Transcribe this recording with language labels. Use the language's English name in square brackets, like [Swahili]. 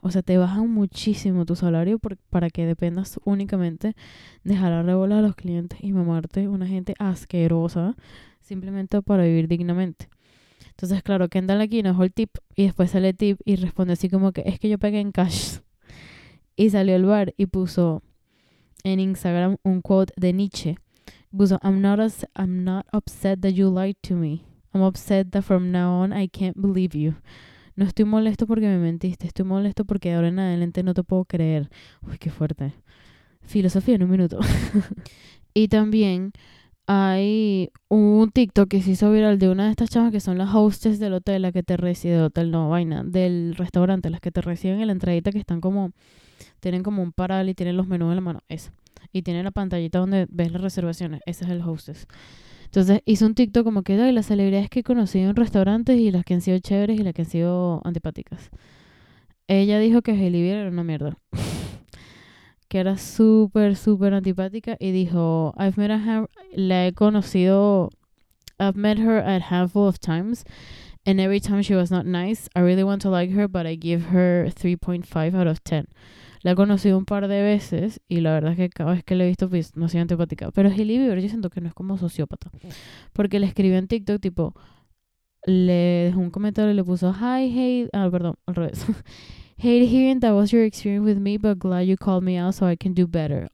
[Spanish] O sea, te bajan muchísimo tu salario para que dependas únicamente de jalar de bola a los clientes y mamarte una gente asquerosa simplemente para vivir dignamente. Entonces, claro, Kendall aquí nos dejó el tip y después sale el tip y responde así como que es que yo pegué en cash. Y salió al bar y puso en Instagram un quote de Nietzsche. Puso, [English] I'm not upset that you lied to me. I'm upset that from now on I can't believe you. [Spanish] No estoy molesto porque me mentiste. Estoy molesto porque ahora en adelante no te puedo creer. Uy, qué fuerte. Filosofía en un minuto. Y también hay un TikTok que se hizo viral de una de estas chavas que son las hostess del hotel, la que te recibe, del restaurante, las que te reciben en la entradita, que están como, tienen como un paral y tienen los menús en la mano, esa. Y tienen la pantallita donde ves las reservaciones, ese es el hostess. Entonces hizo un TikTok como que, ay, las celebridades que he conocido en restaurantes y las que han sido chéveres y las que han sido antipáticas. Ella dijo que Hailey Bieber era una mierda. Que era súper, súper antipática y dijo, [English] I've met her a handful of times and every time she was not nice. I really want to like her, but I give her 3.5 out of 10. [Spanish] La he conocido un par de veces y la verdad es que cada vez que la he visto, pues, no ha sido antipática. Pero Hailey Bieber, yo siento que no es como sociópata. Porque le escribió en TikTok, tipo, le dejó un comentario y le puso, [English] Hate hearing that was your experience with me, but glad you called me out so I can do better.